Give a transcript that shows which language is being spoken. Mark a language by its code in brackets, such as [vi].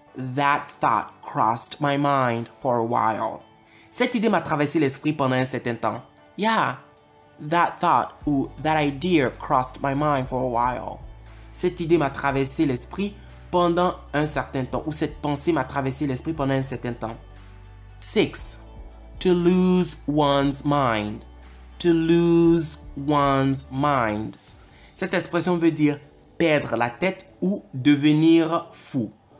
[en] that thought crossed my mind for a while. [fr] Cette idée m'a traversé l'esprit pendant un certain temps. [en] Yeah, that thought ou that idea crossed my mind for a while. [fr] Cette idée m'a traversé l'esprit pendant un certain temps ou cette pensée m'a traversé l'esprit pendant un certain temps. 6. [en] To lose one's mind. To lose one's mind. [fr] Cette expression veut dire perdre la tête ou devenir fou.